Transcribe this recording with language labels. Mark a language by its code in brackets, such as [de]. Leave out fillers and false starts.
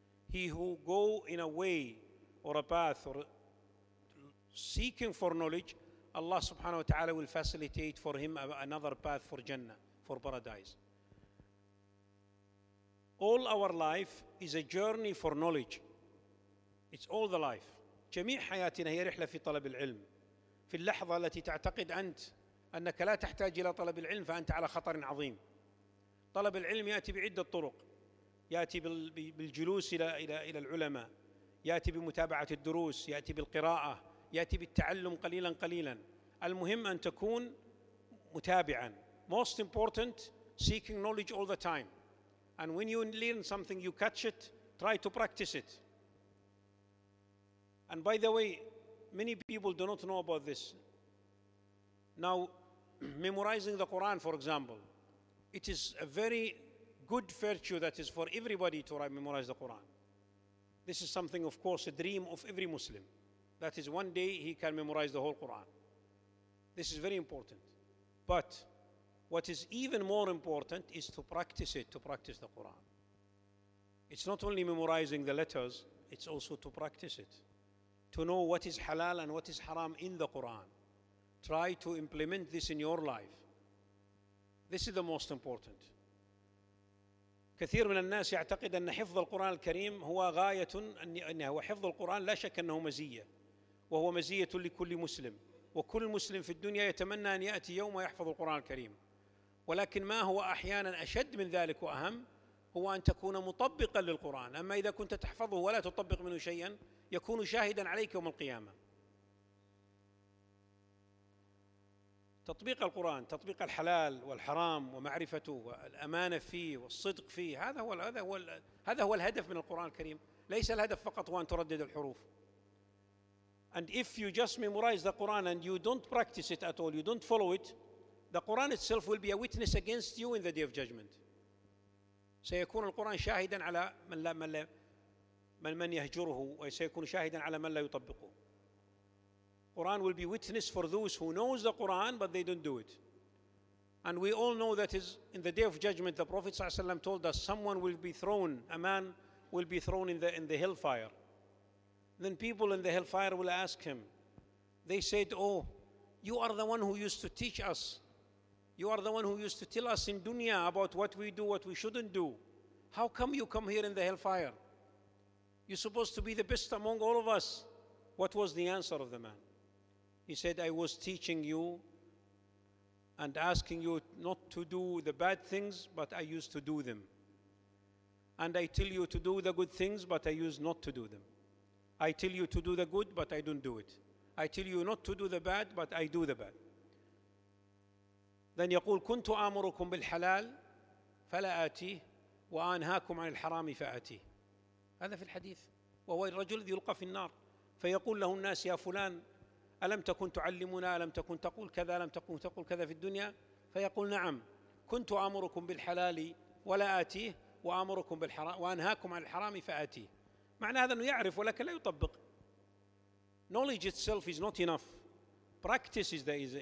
[en] He who go in a way or a path or seeking for knowledge, Allah subhanahu wa ta'ala will facilitate for him another path for Jannah, for paradise. All our life is a journey for knowledge. It's all the life. [ar] جميع حياتنا هي رحلة في طلب العلم. في اللحظة التي تعتقد أنت أنك لا تحتاج إلى طلب العلم فأنت على خطر عظيم. طلب العلم يأتي بعدة طرق. يأتي بالجلوس إلى العلماء. يأتي بمتابعة الدروس. يأتي بالقراءة. يأتي بالتعلم قليلا قليلا. المهم أن تكون متابعا. [en] Most important, seeking knowledge all the time. And when you learn something, you catch it, try to practice it. And by the way, many people do not know about this. Now, memorizing the Quran, for example, it is a very good virtue that is for everybody to memorize the Quran. This is something, of course, a dream of every Muslim. That is, one day he can memorize the whole Quran. This is very important. But What is even more important is to practice it, to practice the Quran. It's not only memorizing the letters, it's also to practice it. To know what is halal and what is haram in the Quran. Try to implement this in your life. This is the most important. [ar] كثير من الناس يعتقد أن حفظ القرآن الكريم هو غاية أنه حفظ القرآن لا شك أنه مزية وهو مزية لكل مسلم وكل مسلم في الدنيا يتمنى أن يأتي يوم ويحفظ القرآن الكريم ولكن ما هو أحيانا أشد من ذلك وأهم هو أن تكون مطبقا للقرآن أما إذا كنت تحفظه ولا تطبق منه شيئا يكون شاهدا عليك يوم القيامة تطبيق القرآن تطبيق الحلال والحرام ومعرفته والأمانة فيه والصدق فيه هذا هو الهدف من القرآن الكريم ليس الهدف فقط هو أن تردد الحروف [en] and if you just memorize the Quran and you don't practice it at all you don't follow it the Quran itself will be a witness against you in the day of judgment [ar] سيكون القرآن شاهدا على من يهجره وسيكون شاهدا على من لا يطبقه [en] Quran will be witness for those who knows the Quran, but they don't do it. And we all know that is in the day of judgment, the Prophet ﷺ told us someone will be thrown, a man will be thrown in the hellfire. Then people in the hellfire will ask him, they said, oh, you are the one who used to teach us. You are the one who used to tell us in dunya about what we do, what we shouldn't do. How come you come here in the hellfire? You're supposed to be the best among all of us. What was the answer of the man? He said, I was teaching you and asking you not to do the bad things, but I used to do them. And I tell you to do the good things, but I used not to do them. I tell you to do the good, but I don't do it. I tell you not to do the bad, but I do the bad. [ar] Then يقول, كنت آمركم بالحلال فلا آتيه وآنهاكم عن الحرام فآتيه. هذا في الحديث. وهو الرجل الذي يلقى في النار. فيقول له الناس يا فلان ألم تكن تعلمنا ألم تكن تقول كذا ألم تكن تقول كذا في الدنيا فيقول نعم كنت أمركم بالحلال ولا آتيه وأمركم بالحرام وأنهاكم عن الحرام فآتيه معنى هذا أنه يعرف ولكن لا يطبق [en] knowledge itself is not enough practice is the